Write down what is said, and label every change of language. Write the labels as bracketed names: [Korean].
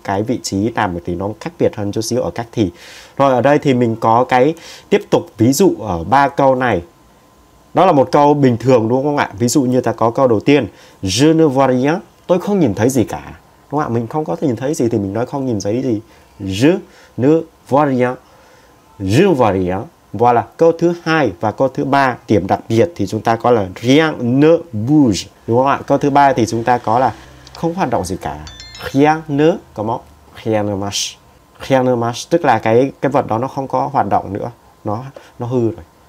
[Vietnamese] Cái vị trí làm thì nó khác biệt hơn chút xíu ở các thì. Rồi ở đây thì mình có cái tiếp tục ví dụ ở ba câu này. Đó là một câu bình thường, đúng không ạ? Ví dụ như ta có câu đầu tiên, [French] je ne vois rien, [Vietnamese] tôi không nhìn thấy gì cả, đúng không ạ? Mình không có thể nhìn thấy gì thì mình nói không nhìn thấy gì. [French] Je ne vois rien, je ne vois rien. [Vietnamese] Voilà, câu thứ hai và câu thứ ba, điểm đặc biệt thì chúng ta có là [French] rien ne bouge, [Vietnamese] đúng không ạ? Câu thứ ba thì chúng ta có là không hoạt động gì cả, [French] rien ne, comment? Rien ne marche, rien ne marche, [Vietnamese] tức là cái vật đó nó không có hoạt động nữa, nó hư rồi.